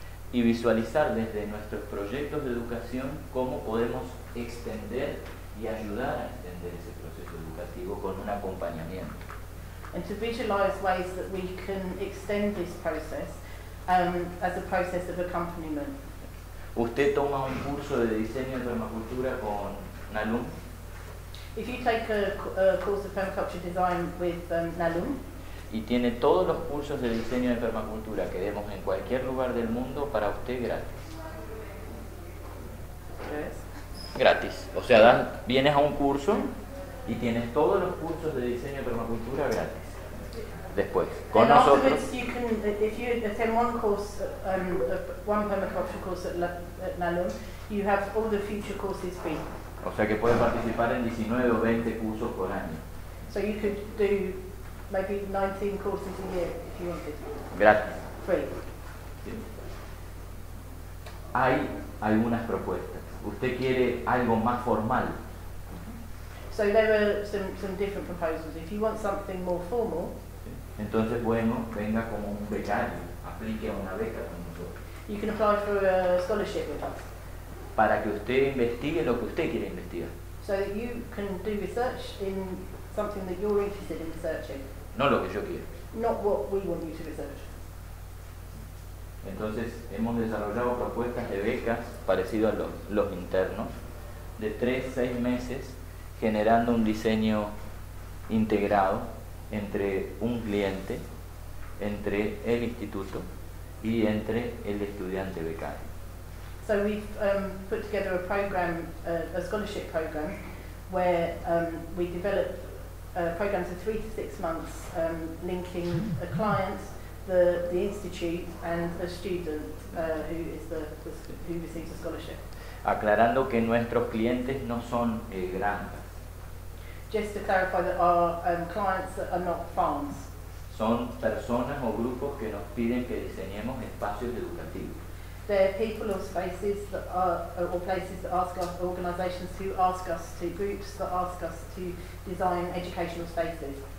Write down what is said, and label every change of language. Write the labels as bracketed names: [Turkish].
[Spanish] Y visualizar desde nuestros proyectos de educación cómo podemos extender y ayudar a extender ese proceso educativo con un acompañamiento. [English] And to visualize ways that we can extend this process as a process of accompaniment. [Spanish] ¿Usted toma un curso de diseño de permacultura con Nalum? [English] If you take a course of permaculture design with Nalum. [Spanish] Y tiene todos los cursos de diseño de permacultura que demos en cualquier lugar del mundo para usted gratis. [English] Yes. [Spanish] Gratis. O sea, vienes a un curso y tienes todos los cursos de diseño de permacultura gratis. Después, con [English] and [Spanish] nosotros. [English] Afterwards, you can, if you attend one course, one permaculture course at Nalum, you have all the future courses free. [Spanish] O sea, que puedes participar en 19 o 20 cursos por año. [English] So you could do maybe 19 courses a year if you wanted. [Spanish] Gratis. [English] Free. [Spanish] Bien. Hay algunas propuestas. ¿Usted quiere algo más formal? [English] So there are some different proposals. If you want something more formal. [Spanish] Entonces, bueno, venga como un becario, aplique a una beca con nosotros. [English] You can apply for a scholarship with us. [Spanish] Para que usted investigue lo que usted quiere investigar. [English] So that you can do research in something that you're interested in researching. [Spanish] No lo que yo quiero. [English] Not what we want you to research. [Spanish] Entonces, hemos desarrollado propuestas de becas parecidas a los internos, de 3-6 meses, generando un diseño integrado entre un cliente, entre el instituto y entre el estudiante becario. [English] So we've put together a program, a scholarship program, where we develop programs of 3 to 6 months linking a client, the institute, and a student who receives a scholarship. [Spanish] Aclarando que nuestros clientes no son granjas. [English] Just to clarify that our clients are not farms. [Spanish] Son personas o grupos que nos piden que diseñemos espacios educativos. [English] They're people or spaces that are, or places that ask us, organizations who ask us to, groups that ask us to design educational spaces.